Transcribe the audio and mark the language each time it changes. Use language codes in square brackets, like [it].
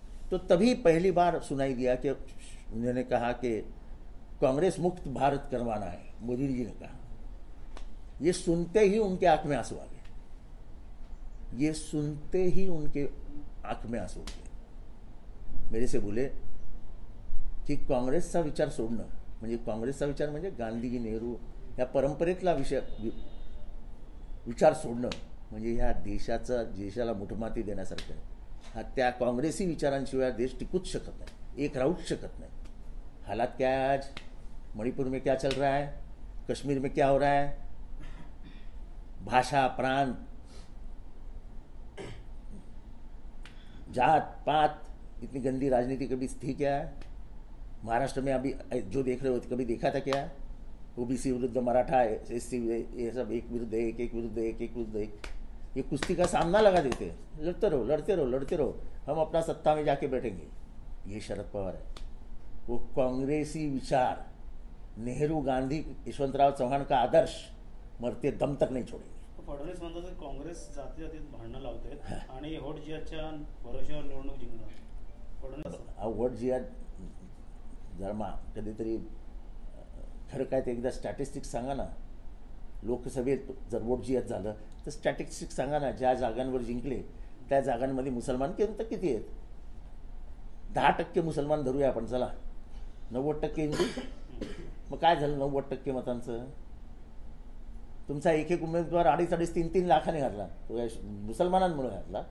[hi] तो तभी पहली बार सुनाई दिया कि उन्होंने कहा कि कांग्रेस मुक्त भारत करवाना है मोदी जी ने कहा. ये सुनते ही उनके आंख में आंसू आ गए, ये सुनते ही उनके आंख में आंसू आ गए. मेरे से बोले कि कांग्रेस का विचार [mr] सोडणं म्हणजे [hi] कांग्रेस का विचार [mr] म्हणजे गांधी नेहरू ह्या परंपरेतला विषय विचार सोडणं म्हणजे ह्या देशाचा देशाला मुठमाती देण्यासारखं आहे. हा त्या काँग्रेसी विचारांशिवाय देश टिकूच शकत नाही, एक राहूच शकत नाही. [hi] हालात क्या है आज, मणिपुर में क्या चल रहा है, कश्मीर में क्या हो रहा है, भाषा प्रांत जात पात इतनी गंदी राजनीति कभी थी क्या है, महाराष्ट्र में अभी जो देख रहे हो कभी देखा था क्या, ओबीसी विरुद्ध मराठा एससी ये सब एक विरुद्ध एक, एक विरुद्ध एक, एक विरुद्ध एक, ये कुश्ती का सामना लगा देते हैं, लड़ते रहो लड़ते रहो लड़ते रहो, हम अपना सत्ता में जाके बैठेंगे। ये शरद पवार है, वो कांग्रेसी विचार, नेहरू गांधी यशवंतराव चव्हाण का आदर्श मरते दम तक नहीं छोड़ेंगे। [mr] फडणवीस म्हणतात की काँग्रेस जाती जाती भांडणं लावत आहेत आणि होट जियाच्या भरोश्यावर निवडणूक जिंकणार फडणवीस। होट जिया जरमा कधीतरी खरं काय ते एकदा स्टॅटिस्टिक सांगा ना, लोकसभेत जर होट जियात झालं तर स्टॅटिस्टिक सांगा ना, ज्या जागांवर जिंकले त्या जागांमध्ये मुसलमान किंवा किती आहेत, 10% मुसलमान धरूया आपण, चला 90% हिंदू, मग काय झालं 90% मतांचं, तुमचा एक एक उमेदवार 2.5-3 लाखांनी हरला, तो या मुसलमानांमुळे हरला।